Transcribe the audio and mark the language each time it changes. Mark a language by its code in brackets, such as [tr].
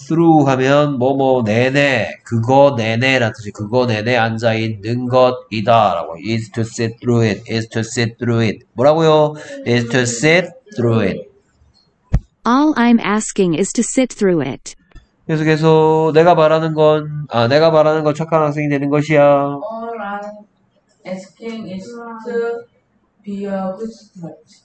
[ko] Through 하면 뭐뭐 내내, 그거 내내 라는 뜻이, 그거 내내 앉아 있는 것이다 라고. [en] Is to sit through it. Is to sit through it. [ko] 뭐라고요? [en] Is to sit through it. All I'm asking is to sit through it. [ko] 계속해서 내가 바라는 건, 아, 내가 바라는 건 착한 학생이 되는 것이야. [en] All I'm asking is to be a good student.